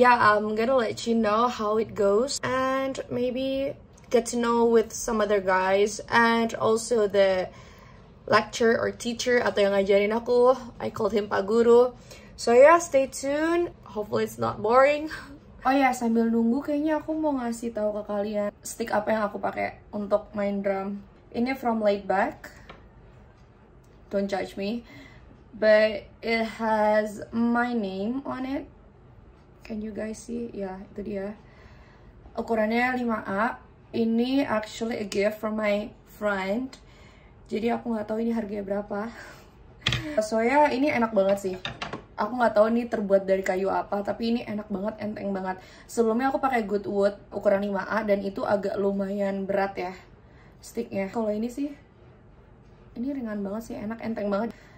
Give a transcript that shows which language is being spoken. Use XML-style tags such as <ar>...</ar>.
<en>Yeah, I'm gonna let you know how it goes and maybe get to know with some other guys and also the lecturer or teacher</en> <id>atau yang ngajarin aku.</id> <en>I called him Pak Guru. So yeah, stay tuned. Hopefully it's not boring.</en> <id>Oh ya, sambil nunggu kayaknya aku mau ngasih tahu ke kalian stick apa yang aku pakai untuk main drum.</id> <en>Ini from Laidback. Don't judge me. But it has my name on it. Can you guys see? Yeah,</en> <id>itu dia. Ukurannya 5A.</id> <en>Ini actually a gift from my friend.</en> <id>Jadi aku nggak tahu ini harganya berapa. So ya, yeah, ini enak banget sih. Aku nggak tahu ini terbuat dari kayu apa, tapi ini enak banget, enteng banget. Sebelumnya aku pakai Goodwood ukuran 5A dan itu agak lumayan berat ya sticknya. Kalau ini sih, ini ringan banget sih, enak, enteng banget.</id>